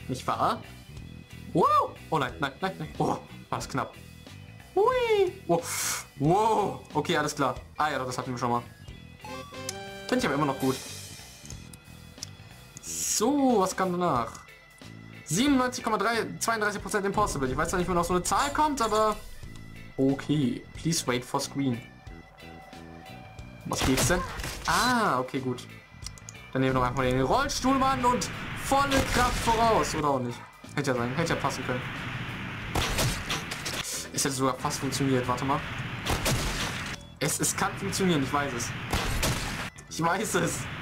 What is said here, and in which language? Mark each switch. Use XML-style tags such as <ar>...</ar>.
<de>Nicht wahr? Wow! Oh nein, nein, nein, nein. Oh, war das knapp. Hui! Wow! Okay, alles klar. Ah ja, doch, das hatten wir schon mal. Finde ich aber immer noch gut. So, was kam danach? 97,32%</de> <en>impossible.</en> <de>Ich weiß zwar nicht, wann noch so eine Zahl kommt, aber...</de> <en>Okay, please wait for screen.</en> <de>Was geht's denn? Ah, okay, gut. Dann nehmen wir noch einfach mal den Rollstuhlmann und volle Kraft voraus. Oder auch nicht. Hätte ja sein, hätte ja passen können. Es hätte sogar fast funktioniert, warte mal. Es kann funktionieren, ich weiß es. Ich weiß es.</de>